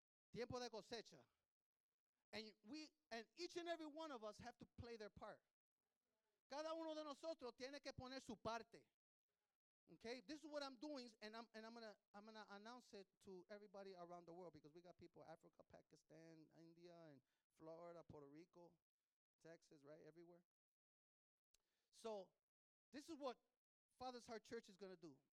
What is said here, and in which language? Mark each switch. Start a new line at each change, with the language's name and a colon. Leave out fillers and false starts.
Spanish: Tiempo de cosecha.
English: And we and each and every one of us have to play their part.
Spanish: Cada uno de nosotros tiene que poner su parte.
English: Okay, this is what I'm doing, and I'm gonna announce it to everybody around the world because we got people in Africa, Pakistan, India, and Florida, Puerto Rico, Texas, right? Everywhere. So this is what Father's Heart Church is gonna do.